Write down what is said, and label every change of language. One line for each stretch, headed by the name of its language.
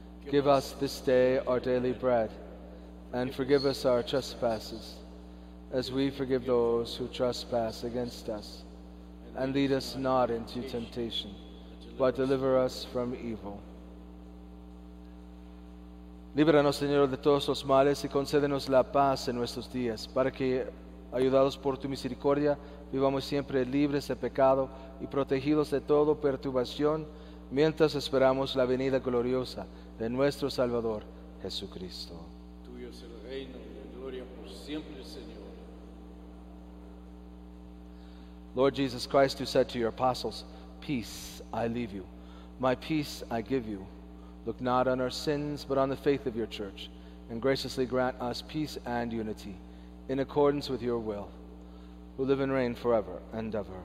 English: Give us this day our daily bread, and forgive us our trespasses, as we forgive those who trespass against us. And lead us not into temptation, but deliver us from evil.
Spanish: Líbranos, Señor, de todos los males, y concédenos la paz en nuestros días, para que, ayudados por tu misericordia, vivamos siempre libres de pecado y protegidos de toda perturbación mientras esperamos la venida gloriosa de nuestro Salvador Jesucristo. Tuyo es el reino y la gloria por siempre, Señor.
English: Lord Jesus Christ, you said to your apostles, Peace I leave you, my peace I give you. Look not on our sins, but on the faith of your church, and graciously grant us peace and unity in accordance with your will, who live and reign forever and ever.